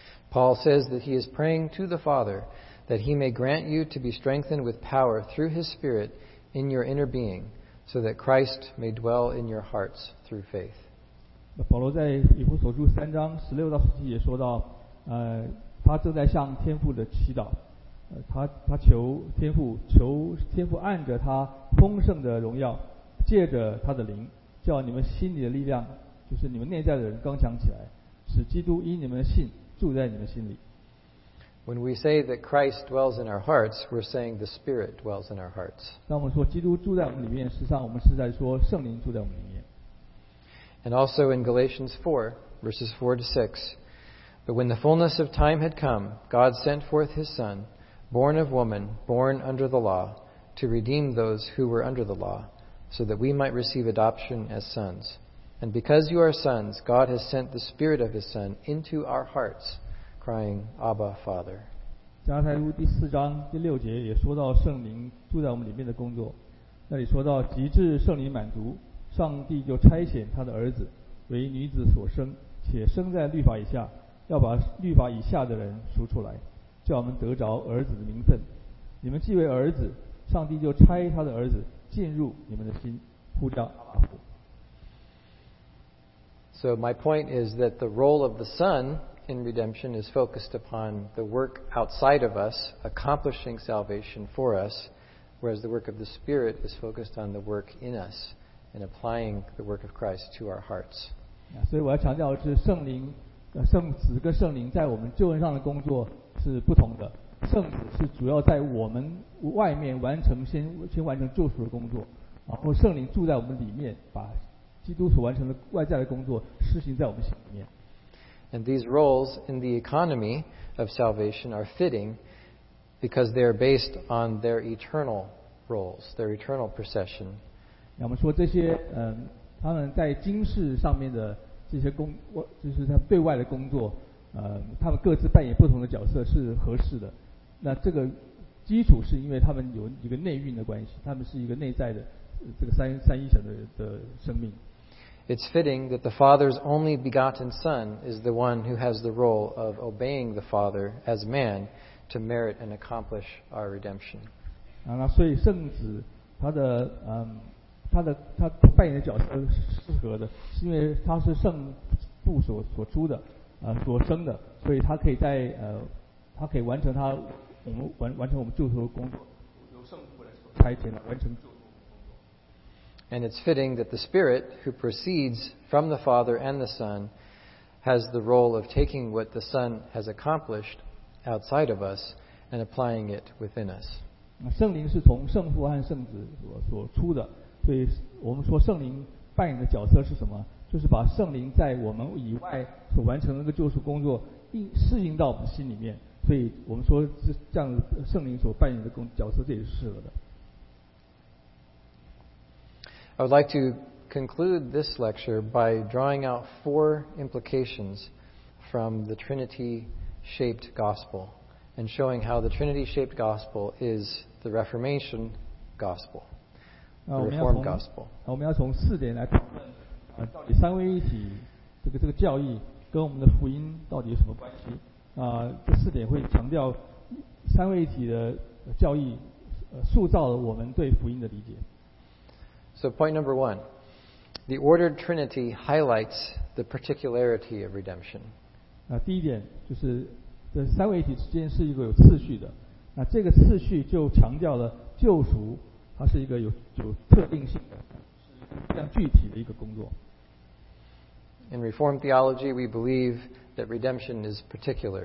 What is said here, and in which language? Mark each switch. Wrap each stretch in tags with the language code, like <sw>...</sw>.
<en>Paul says that he is praying to the Father that he may grant you to be strengthened with power through his Spirit in your inner being so that Christ may dwell in your hearts through faith.</en> <zh>保罗在以弗所书三章十六到十七也说到他正在向天父的祈祷，他求天父，求天父按着他丰盛的荣耀借着他的灵叫你们心里的力量，就是你们内在的人刚强起来，使基督因你们的信住在你们心里。</zh> <en>When we say that Christ dwells in our hearts, we're saying the Spirit dwells in our hearts.</en> <zh>当我们说基督住在我们里面，实际上我们是在说圣灵住在我们里面。</zh> <en>And also in Galatians 4, verses 4 to 6, But when the fullness of time had come, God sent forth His Son, born of woman, born under the law, to redeem those who were under the law, so that we might receive adoption as sons. And because you are sons, God has sent the Spirit of His Son into our hearts, crying, Abba, Father.</en> <zh>加太书第四章第六节也说到圣灵住在我们里面的工作。那里说到，极致圣灵满足，上帝就差遣他的儿子为女子所生，且生在律法以下，要把律法以下的人赎出来，叫我们得着儿子的名分。你们既为儿子，上帝就差他的儿子进入你们的心，呼叫阿爸父。</zh> <en>So my point is that the role of the Son in redemption is focused upon the work outside of us, accomplishing salvation for us, whereas the work of the Spirit is focused on the work in us and applying the work of Christ to our hearts.</en> <zh>所以我要强调的是圣灵，圣子跟圣灵在我们救恩上的工作是不同的。圣子是主要在我们外面完成先完成救赎的工作，然后圣灵住在我们里面把基督所完成的外在的工作施行在我们心里面。</zh> <en>And these roles in the economy of salvation are fitting because they are based on their eternal roles, their eternal procession.</en> <zh>我们说这些他们在今世上面的这些工，就是他对外的工作，他们各自扮演不同的角色是合适的。那这个基础是因为他们有一个内蕴的关系，他们是一个内在的。这个三一神的生命。</zh> <en>It's fitting that the Father's only begotten Son is the one who has the role of obeying the Father as man to merit and accomplish our redemption.</en> <zh>那所以圣子他扮演的角色是适合的，是因为他是圣父所出的，所生的，所以他可以在他可以完成我们救赎的工作，由圣父来所差遣完成。</zh> <en>And it's fitting that the Spirit, who proceeds from the Father and the Son, has the role of taking what the Son has accomplished outside of us and applying it within us.</en> <zh>圣灵是从圣父和圣子所出的，所以我们说圣灵扮演的角色是什么？就是把圣灵在我们以外所完成的那个救赎工作适应到我们心里面，所以我们说这样圣灵所扮演的角色这也是适合的。</zh> <en>I would like to conclude this lecture by drawing out four implications from the Trinity-shaped gospel and showing how the Trinity-shaped gospel is the Reformation gospel, the Reformed gospel.</en> <zh>我们要从四点来讨论，到底三位一体这个教义跟我们的福音到底有什么关系？这四点会强调三位一体的教义，塑造了我们对福音的理解。</zh> <en>So point number one, The ordered Trinity highlights the particularity of redemption.</en> <zh>第一点就是这三位一体之间是一个有次序的，那这个次序就强调了救赎它是一个 有特定性的，是非常具体的一个工作。</zh> <en>In Reformed theology, we believe that redemption is particular.</en>